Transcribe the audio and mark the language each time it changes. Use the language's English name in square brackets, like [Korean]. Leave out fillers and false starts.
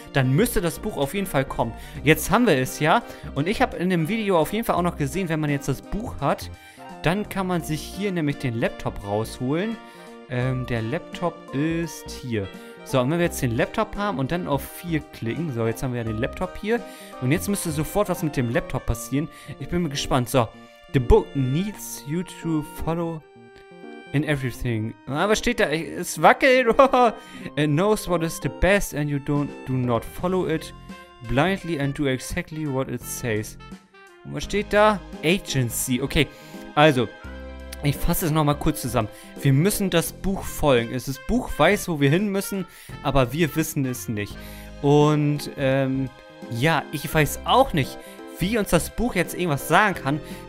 [German] Dann müsste das Buch auf jeden Fall kommen. Jetzt haben wir es ja. Und ich habe in dem Video auf jeden Fall auch noch gesehen, wenn man jetzt das Buch hat, dann kann man sich hier nämlich den Laptop rausholen. Der Laptop ist hier. So, und wenn wir jetzt den Laptop haben und dann auf 4 klicken. So, jetzt haben wir ja den Laptop hier. Und jetzt müsste sofort was mit dem Laptop passieren. Ich bin mir gespannt. [English] So, the book needs you to follow in everything. [German] Aber steht da, es wackelt. [English] It knows what is the best and you do not follow it blindly and do exactly what it says. [German] Und was steht da? Agency. Okay, also, ich fasse es nochmal kurz zusammen. Wir müssen das Buch folgen. Das Buch weiß, wo wir hin müssen, aber wir wissen es nicht. Und, ja, ich weiß auch nicht, wie uns das Buch jetzt irgendwas sagen kann.